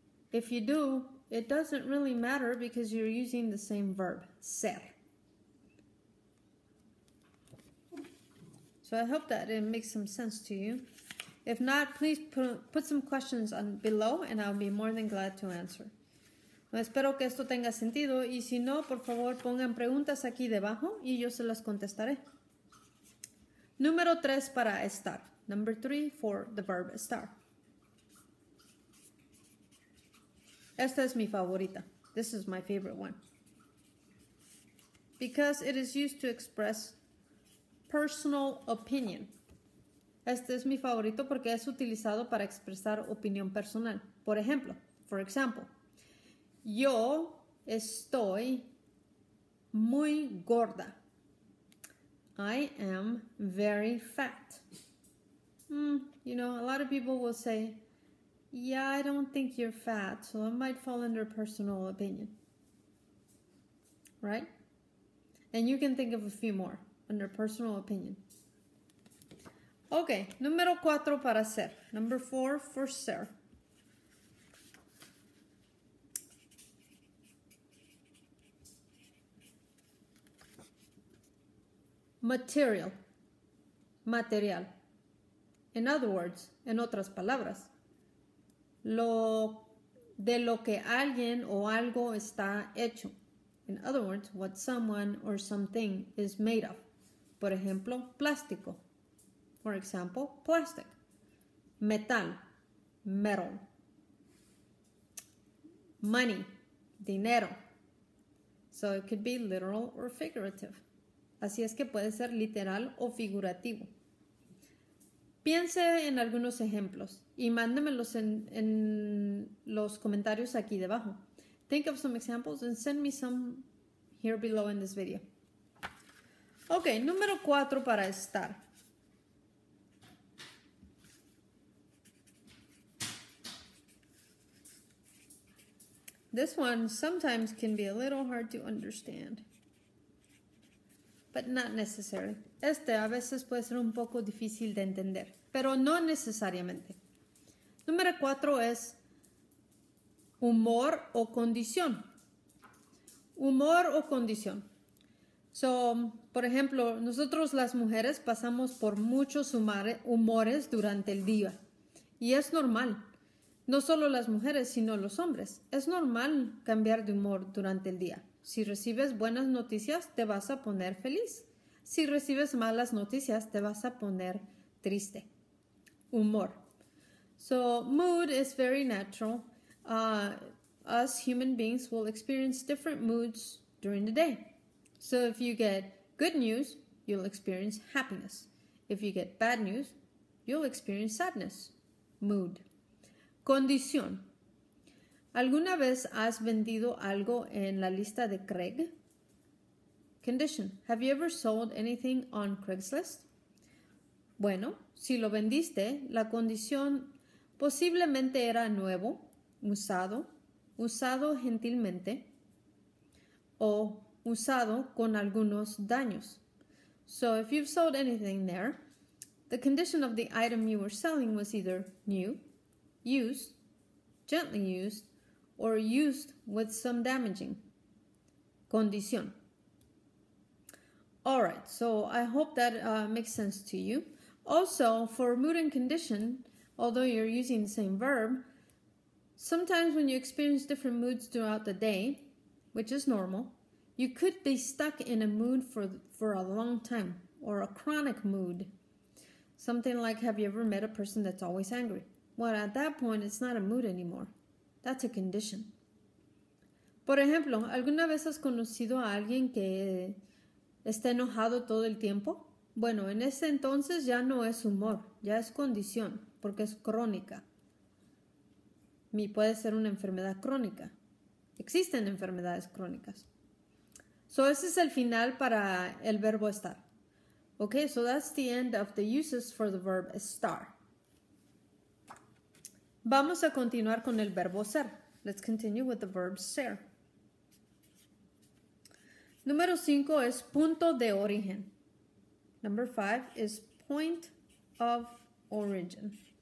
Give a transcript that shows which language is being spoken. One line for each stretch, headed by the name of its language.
English: If you do, it doesn't really matter because you're using the same verb, ser. So I hope that it makes some sense to you. If not, please put some questions on below and I'll be more than glad to answer.
Spanish: Espero que esto tenga sentido y si no, por favor, pongan preguntas aquí debajo y yo se las contestaré. Número 3 para estar.
English: Number 3 for the verb estar.
Spanish: Esta es mi favorita.
English: This is my favorite one. Because it is used to express personal opinion.
Spanish: Este es mi favorito porque es utilizado para expresar opinión personal. Por ejemplo,
English: for example,
Spanish: yo estoy muy gorda.
English: I am very fat. You know, a lot of people will say, yeah, I don't think you're fat, so it might fall under personal opinion. Right? And you can think of a few more under personal opinion. Okay,
Spanish: número cuatro para ser.
English: Number four for ser. Material. Material. In other words,
Spanish: en otras palabras, lo de lo que alguien o algo está hecho.
English: In other words, what someone or something is made of.
Spanish: Por ejemplo, plástico.
English: For example, plastic.
Spanish: Metal. Metal.
English: Money. Dinero. So it could be literal or figurative.
Spanish: Así es que puede ser literal o figurativo. Piense en algunos ejemplos y mándemelos en los comentarios aquí debajo.
English: Think of some examples and send me some here below in this video.
Spanish: Ok, número 4 para estar.
English: This one sometimes can be a little hard to understand. But not necessary.
Spanish: Este a veces puede ser un poco difícil de entender, pero no necesariamente. Número 4 es humor o condición. Humor o condición. So, por ejemplo, nosotros las mujeres pasamos por muchos humores durante el día. Y es normal. No solo las mujeres, sino los hombres. Es normal cambiar de humor durante el día. Si recibes buenas noticias, te vas a poner feliz. Si recibes malas noticias, te vas a poner triste. Humor.
English: So, mood is very natural. Us human beings will experience different moods during the day. So, if you get good news, you'll experience happiness. If you get bad news, you'll experience sadness. Mood. Condición.
Spanish: ¿Alguna vez has vendido algo en la lista de Craig? Condition.
English: Have you ever sold anything on Craigslist?
Spanish: Bueno, si lo vendiste, la condición posiblemente era nuevo, usado, usado gentilmente o usado con algunos daños.
English: So if you've sold anything there, the condition of the item you were selling was either new, used, gently used, or used with some damaging. Condición. All right, so I hope that makes sense to you. Also, for mood and condition, although you're using the same verb, sometimes when you experience different moods throughout the day, which is normal, You could be stuck in a mood for a long time, or a chronic mood. Something like, have you ever met a person that's always angry? Well, at that point, it's not a mood anymore. That's a condition.
Spanish: Por ejemplo, ¿alguna vez has conocido a alguien que está enojado todo el tiempo? Bueno, en ese entonces ya no es humor, ya es condición, porque es crónica. Y puede ser una enfermedad crónica. Existen enfermedades crónicas. So, ese es el final para el verbo estar.
English: Okay, so that's the end of the uses for the verb estar.
Spanish: Vamos a continuar con el verbo ser.
English: Let's continue with the verb ser.
Spanish: Número 5 es punto de origen.
English: Number 5 is point of origin.